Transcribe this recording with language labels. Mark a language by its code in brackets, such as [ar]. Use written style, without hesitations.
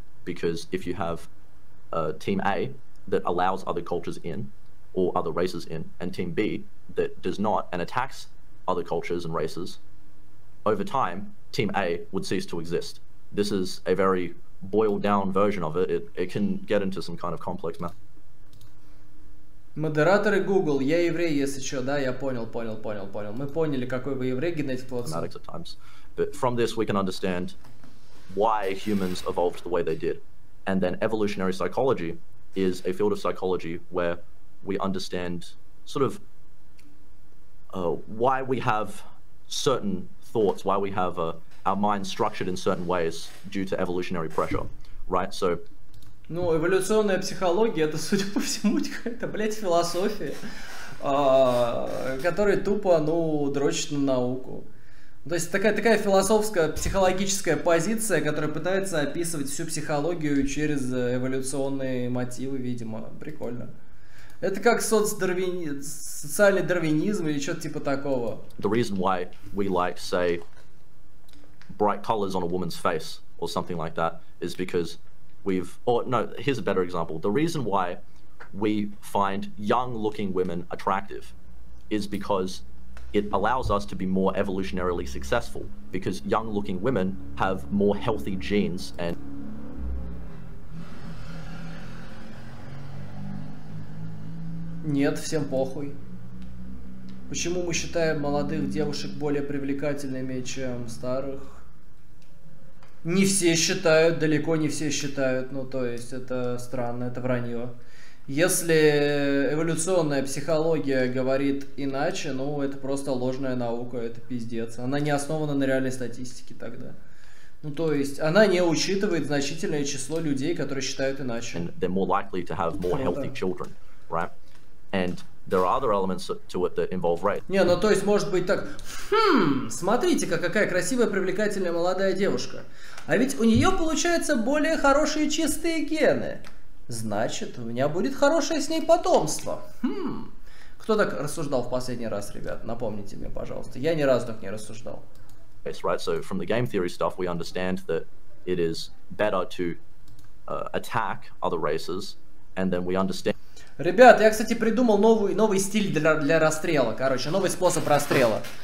[en] Because if you have team A that allows other cultures in, or other races in, and team B that does not and attacks other cultures and races, over time, Team A would cease to exist. This is a very boiled down version of it. It can get into some kind of complex math. [ru] Модераторы Google, я еврей, если что, да, я понял. Мы поняли, какой вы еврей, генетик плотский. [en] But from this, we can understand why humans evolved the way they did. And then evolutionary psychology is a field of psychology where we understand sort of why we have certain thoughts, why we have our minds structured in certain ways due to evolutionary pressure, right? So, [ru] ну, эволюционная психология — это, судя по всему, какая-то, блядь, философия, которая тупо, ну, дрочит на науку. То есть такая философская, психологическая позиция, которая пытается описывать всю психологию через эволюционные мотивы, видимо. Прикольно. Это как социальный дарвинизм или что-то типа такого. [en] The reason why we like, say, bright colors on a woman's face or something like that is because we've... Or no, here's a better example. The reason why we find young-looking women attractive is because it allows us to be more evolutionarily successful, because young-looking women have more healthy genes and... [ru] Нет, всем похуй. Почему мы считаем молодых девушек более привлекательными, чем старых? Не все считают, далеко не все считают. Ну, то есть, это странно, это вранье. Если эволюционная психология говорит иначе, ну, это просто ложная наука, это пиздец. Она не основана на реальной статистике тогда. Ну, то есть, она не учитывает значительное число людей, которые считают иначе. [en] They're more likely to have more healthy children, right? And there are other elements to it that involve race. [ru] Не, ну то есть может быть так. Смотрите-ка, какая красивая, привлекательная молодая девушка. А ведь у нее получаются более хорошие чистые гены. Значит, у меня будет хорошее с ней потомство. Кто так рассуждал в последний раз, ребят? Напомните мне, пожалуйста. Я ни разу так не рассуждал. [en] That's right. So from the game theory stuff, we understand that it is better to attack other races, and then we understand. [ru] Ребят, я, кстати, придумал новый стиль для расстрела. Короче, новый способ расстрела.